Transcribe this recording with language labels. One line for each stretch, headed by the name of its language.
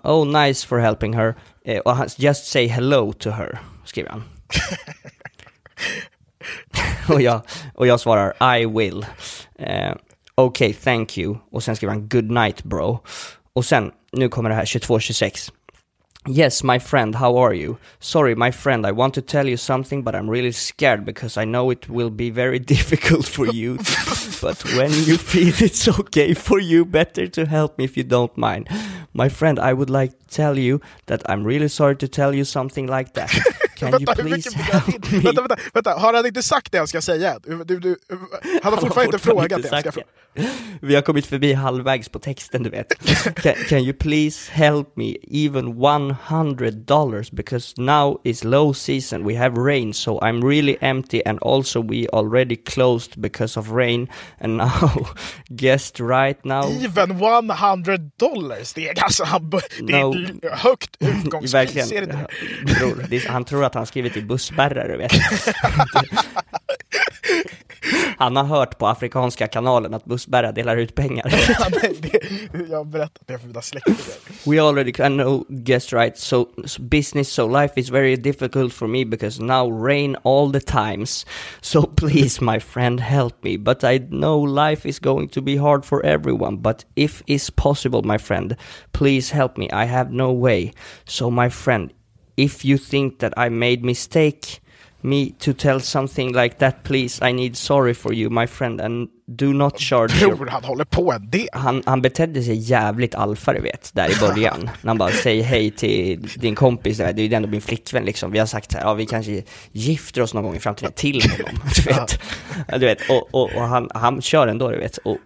English: Oh, nice for helping her. Just say hello to her,
Swedish: skriver han. och jag svarar
English: I will. Okay, thank you.
Swedish: Och sen skriver han
English: good night bro.
Swedish: Och sen, nu kommer det här 22:26.
English: Yes, my friend, how are you? Sorry, my friend, I want to tell you something, but I'm really scared because I know it will be very difficult for you. But when you feel it's okay for you, better to help me if you don't mind. My friend, I would like to tell you that I'm really sorry to tell you something like that. Can
Swedish: vänta,
English: you please help me?
Swedish: Vänta, har han inte sagt det jag ska säga? Han har fortfarande inte frågat det jag ska fråga. Vi har kommit förbi halvvägs på texten, du vet.
English: Can you please help me even $100? Because now is low season. We have rain, so I'm really empty. And also we already closed because of rain. And now, guest right now. Even $100?
Swedish: Det är alltså, högt utgångspris. Verkligen. Han tror att han skrivit i bussbärrar, du vet. Han har hört på afrikanska kanalen att bussbärra delar ut pengar. Jag har berättat det för mina släktingar.
English: We already know, guess right, so business, so life is very difficult for me because now rain all the times. So please, my friend, help me. But I know life is going to be hard for everyone. But if it's possible, my friend, please help me. I have no way. So my friend, if you think that I made mistake... me to tell something like that, please. I need sorry for you, my friend, and do not charge.
Swedish: Bror, han håller på en del. Han betedde sig jävligt alfa, du vet, där i början. När han bara säger hej till din kompis. Det är ju ändå min flickvän, liksom. Vi har sagt så här, ja, vi kanske gifter oss någon gång i framtiden till honom, du vet. Du vet, och han kör ändå, du vet.